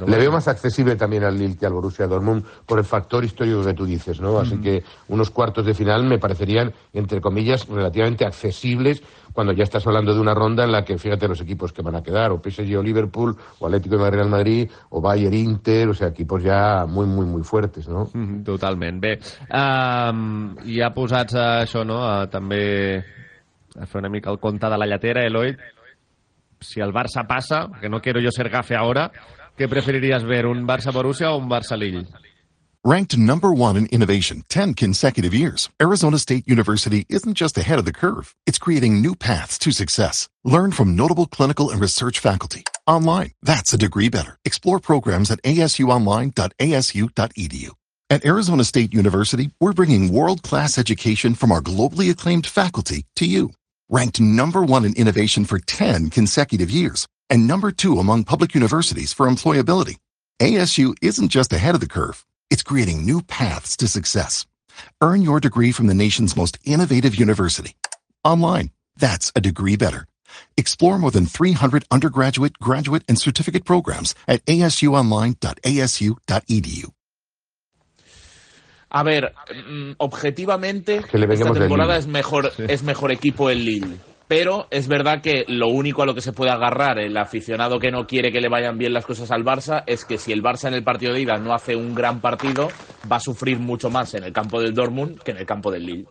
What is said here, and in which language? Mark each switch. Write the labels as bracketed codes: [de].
[es] bueno. Le veo más accesible también al Lille que al Borussia Dortmund por el factor histórico que tú dices, ¿no? Así que unos cuartos de final me parecerían, entre comillas, relativamente accesibles cuando ya estás hablando de una ronda en la que, fíjate, los equipos que van a quedar, o PSG o Liverpool, o Atlético de Real Madrid, o Bayern Inter, o sea, equipos ja muy, muy, muy fuertes, ¿no? [ca] Totalment. Bé, i ha posat això, ¿no?, també a fer una mica el compte de la lletera, Eloi. Si el Barça passa, [es] que no quiero yo ser gafe ahora, ¿qué preferirías ver, un Barça-Borussia o un Barça-Lille? [en] Ranked number one in innovation 10 consecutive years, Arizona State University isn't just ahead of the curve. It's creating new paths to success. Learn from notable clinical and research faculty. Online, that's a degree better. Explore programs at asuonline.asu.edu. At Arizona State University, we're bringing world-class education from our globally acclaimed faculty to you. Ranked number one in innovation for 10 consecutive years and number two among public universities for employability. ASU isn't just ahead of the curve. It's creating new paths to success. Earn your degree from the nation's most innovative university. Online, that's a degree better. Explore more than 300 undergraduate, graduate, and certificate programs at asuonline.asu.edu. [es] A ver, objetivamente, esta temporada es mejor equipo el Lille. Pero es verdad que lo único a lo que se puede agarrar el aficionado que no quiere que le vayan bien las cosas al Barça es que si el Barça en el partido de ida no hace un gran partido, va a sufrir mucho más en el campo del Dortmund que en el campo del Lille.